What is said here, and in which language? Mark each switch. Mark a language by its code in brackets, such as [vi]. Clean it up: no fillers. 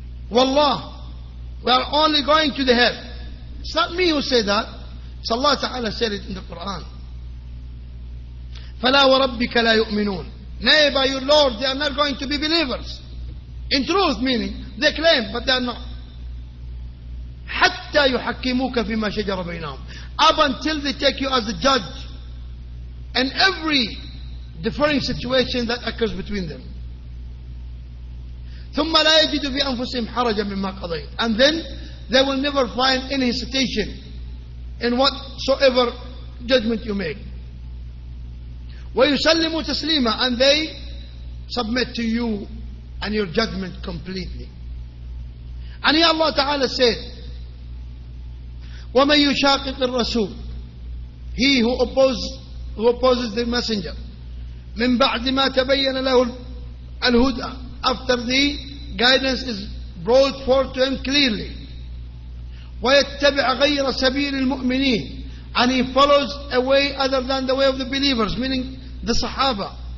[en] Wallah, we are only going to the hell. It's not me who say that. It's Allah Ta'ala said it in the Quran. [ar] فَلَا وَرَبِّكَ لَا يُؤْمِنُونَ [en] Nay, by your Lord, they are not going to be believers. In truth, meaning, they claim, but they are not. [ar] حتى يحكموك فيما شجر بينهم. [en] Up until they take you as a judge in every differing situation that occurs between them. [ar] ثم لا يجد في أنفسهم حرجا مما قضيت. [en] And then they will never find any hesitation in whatsoever judgment you make. [ar] ويسلموا تسليما. [en] And they submit to you and your judgment completely. And here Allah Ta'ala said, [ar] وَمَنْ يُشَاقِقِ الرَّسُولِ [en] He who opposes the messenger [ar] مِنْ بَعْدِ مَا تَبَيَّنَ لَهُ الْهُدَى [en] After the guidance is brought forth to him clearly [ar] وَيَتَّبِعَ غَيْرَ سَبِيلِ الْمُؤْمِنِينَ [en] And he follows a way other than the way of the believers, meaning the Sahaba.